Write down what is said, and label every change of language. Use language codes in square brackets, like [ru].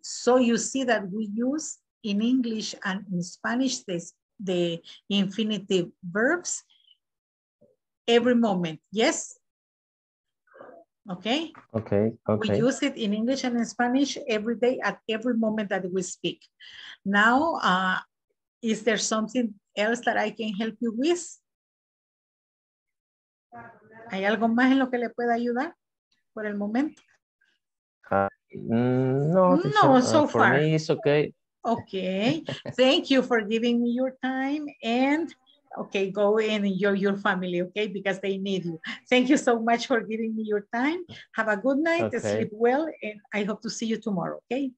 [en] So you see that we use in English and in Spanish the infinitive verbs every moment, yes? Okay? Okay, okay. We use it in English and in Spanish every day at every moment that we speak. Now, is there something else that I can help you with? [es] ¿Hay algo más en lo que le pueda ayudar por el momento? [en] No, so far. For me, it's okay. Okay, thank you for giving me your time, and okay, go and enjoy your family, okay, because they need you. Thank you so much for giving me your time. Have a good night, okay. Sleep well, and I hope to see you tomorrow, okay?